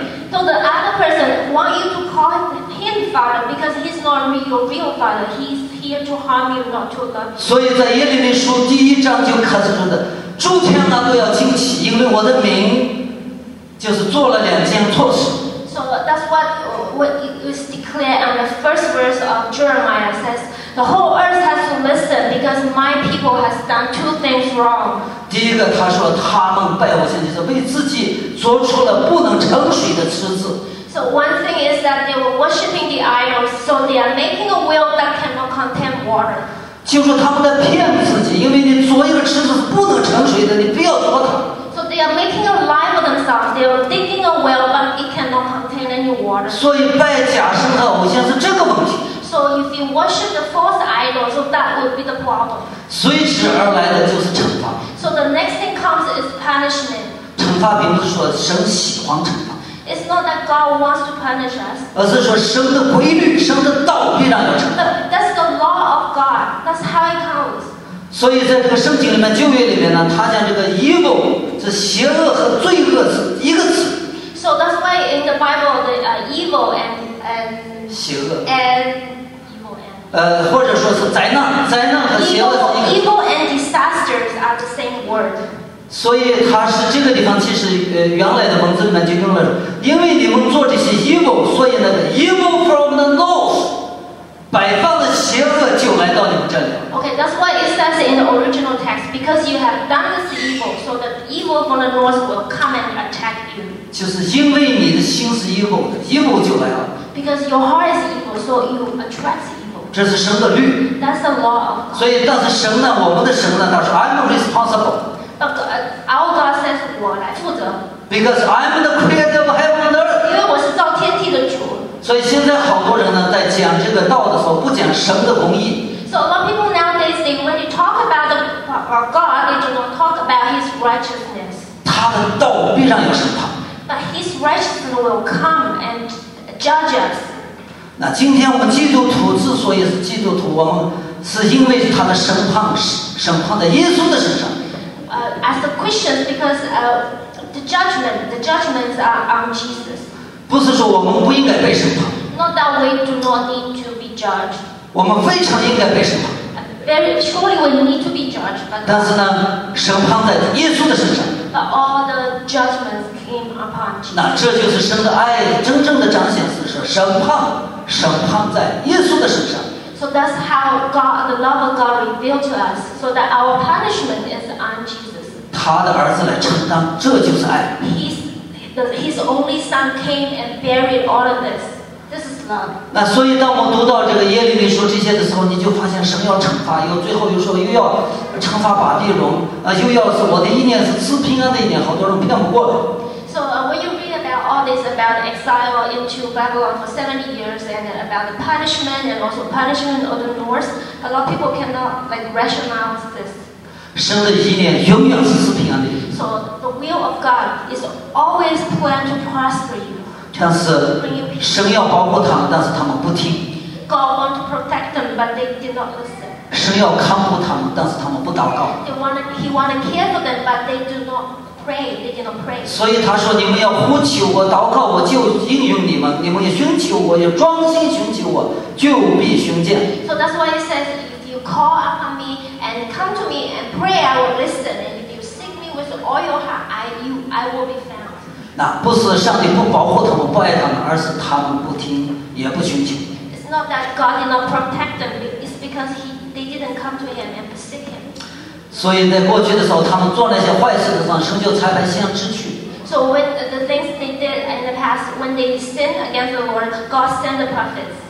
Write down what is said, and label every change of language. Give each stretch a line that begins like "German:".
English: So the other person wants you to call him father because he's not your real father. He's here to harm you, not to love you.
Chinese: 所以在耶利米书第一章就开始说的，诸天呢都要惊奇，因为我的名就是做了两件错事。
English: So that's what it was declared on the first verse of Jeremiah says, the whole earth has to listen because my people has done two things wrong.
Chinese: 第一个，他说他们拜偶像就是为自己做出了不能盛水的池子。
English: So one thing is that they were worshiping the idols, so they are making a well that cannot contain water.
Chinese: 就是他们在骗自己，因为你做一个池子是不能盛水的，你不要做它。
English: So they are making a lie for themselves. They are digging a well, but it cannot contain any water.
Chinese: 所以拜假神和偶像是这个问题。
English: So if you worship the false idol, so that would be the problem.
Chinese: 随之而来的就是惩罚。
English: So the next thing comes is punishment.
Chinese: 惩罚并不是说神喜欢惩罚。
English: It's not that God wants to punish us.
Chinese: 而是说神的规律，神的道必然要惩罚。
English: But that's the law of God. That's how it comes.
Chinese: 所以在这个圣经里面，旧约里面呢，他讲这个 evil 是邪恶和罪恶是一个词。
English: So that's why in the Bible, the evil and
Chinese: 邪恶
English: and
Chinese: 或者说是灾难，灾难和邪恶。
English: Evil and disasters are the same word.
Chinese: 所以它是这个地方，其实原来的文字里面就用了，因为你们做这些 evil， 所以那个
English: evil from the north，
Chinese: 北方的邪恶就来到你们这里。
English: Okay, that's why it says in the original text, because you have done this evil, so the evil from the north will come and attack you.
Chinese: 就是因为你的心是 evil， evil 就来了。
English: Because your heart is evil, so you attract evil.
Chinese: 这是神的律。
English: That's the law.
Chinese: 所以，但是神呢？我们的神呢？他说
English: ，I'm responsible. Our God says
Chinese: 我来负责。
English: Because I'm the creator of heaven and earth.
Chinese: 因为我是造天地的主。所以现在好多人呢，在讲这个道的时候，不讲神的公义。
English: So a lot of people nowadays, when you talk about our God, they do not talk about His righteousness.
Chinese: 他的道必然有审判。
English: But his righteousness will come and judge us.
Chinese: 那今天我们基督徒之所以是基督徒，我们是因为他的审判，审判在耶稣的身上。
English: As the Christians, because the judgments are on Jesus.
Chinese: 不是说我们不应该被审判。
English: Not that we do not need to be judged.
Chinese: 我们非常应该被审判。
English: Very surely we need to be judged, but.
Chinese: 但是呢，审判在耶稣的身上。
English: But all the judgments came upon Jesus.
Chinese: 那这就是神的爱真正的彰显，是说审判在耶稣的身上。
English: So that's how God, the love of God, revealed to us, so that our punishment is on Jesus.
Chinese: 他的儿子来承担，这就是爱。
English: His only son came and buried all of this. This is love.
Chinese: 那所以当我读到这个耶利米书这些的时候，你就发现神要惩罚，又最后又说又要惩罚巴比伦，又要是我的意念是赐平安的意念，好多人骗不过的。
English: So when you read about all this about exile into Babylon for 70 years and about the punishment and also punishment of the north, a lot of people cannot like rationalize this.
Chinese: 神的意念永远是赐平安的。
English: So the will of God is always planned to prosper you.
Chinese: 但是神要保护他们，但是他们不听。
English: God want to protect them, but they did not listen.
Chinese: 神要看护他们，但是他们不祷告。
English: He want to care for them, but they do not pray. They did not pray.
Chinese: 所以他说：“你们要呼求我，祷告我，就应允你们；你们要寻求我，要专心寻求我，就必寻见。”
English: So that's why he says, if you call upon me and come to me and pray, I will listen. And if you seek me with all your heart, I will be found.
Chinese: 那不是上帝不保护他们、不爱他们，而是他们不听，也不寻求。
English: It's not that God did not protect them. It's because they didn't come to Him and seek Him.
Chinese: 所以在过去的时候，他们做那些坏事的时候，神就差派先知去。
English: So when the things they did in the past, when they sinned against the Lord, God sent the prophets.